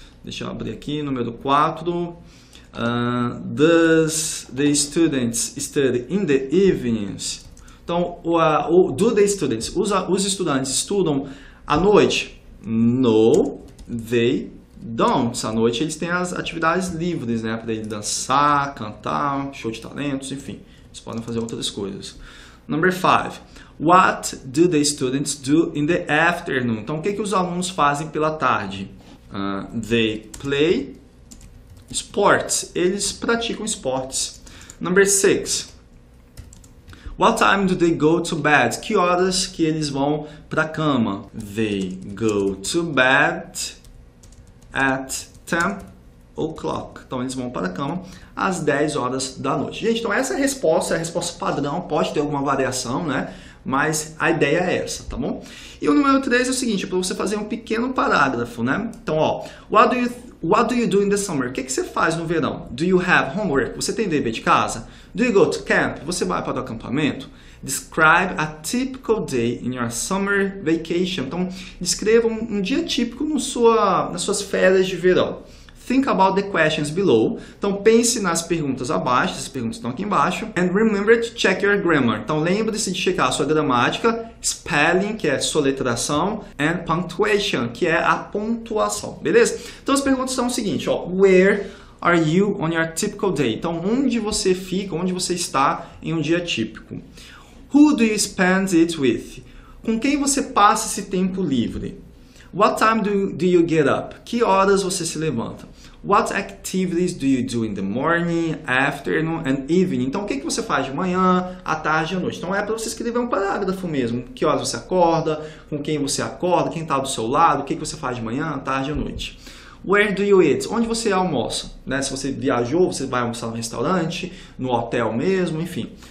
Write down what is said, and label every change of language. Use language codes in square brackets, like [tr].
[pt] Deixa eu abrir aqui. Número 4. [en] Does the students study in the evenings? [pt] Então, os estudantes estudam à noite? [en] No, they don't. [pt] À noite eles têm as atividades livres, né? Para ele dançar, cantar, show de talentos, enfim. Eles podem fazer outras coisas. [en] Number 5. What do the students do in the afternoon? [pt] Então, o que os alunos fazem pela tarde? [en] They play sports. [pt] Eles praticam esportes. [en] Number 6. What time do they go to bed? [pt] Que horas que eles vão para a cama? [en] They go to bed at 10 o'clock. [pt] Então, eles vão para a cama às 10 horas da noite. Gente, então essa resposta é a resposta padrão. Pode ter alguma variação, né? Mas a ideia é essa, tá bom? E o número 3 é o seguinte, é para você fazer um pequeno parágrafo, né? Então, ó, [en] what do you do in the summer? [pt] O que você faz no verão? [en] Do you have homework? [pt] Você tem dever de casa? [en] Do you go to camp? [pt] Você vai para o acampamento? [en] Describe a typical day in your summer vacation. [pt] Então, descreva um dia típico nas suas férias de verão. [en] Think about the questions below. [pt] Então, pense nas perguntas abaixo. Essas perguntas estão aqui embaixo. [en] And remember to check your grammar. [pt] Então, lembre-se de checar a sua gramática. Spelling, que é soletração. And punctuation, que é a pontuação. Beleza? Então, as perguntas são o seguinte. [en] Ó, where are you on your typical day? [pt] Então, onde você fica, onde você está em um dia típico? [en] Who do you spend it with? [pt] Com quem você passa esse tempo livre? [en] What time do you get up? [pt] Que horas você se levanta? [en] What activities do you do in the morning, afternoon and evening? [pt] Então, o que você faz de manhã, à tarde e à noite? Então, é para você escrever um parágrafo mesmo. Que horas você acorda, com quem você acorda, quem está do seu lado, o que você faz de manhã, à tarde e à noite. [en] Where do you eat? [pt] Onde você almoça? Né? Se você viajou, você vai almoçar no restaurante, no hotel mesmo, enfim.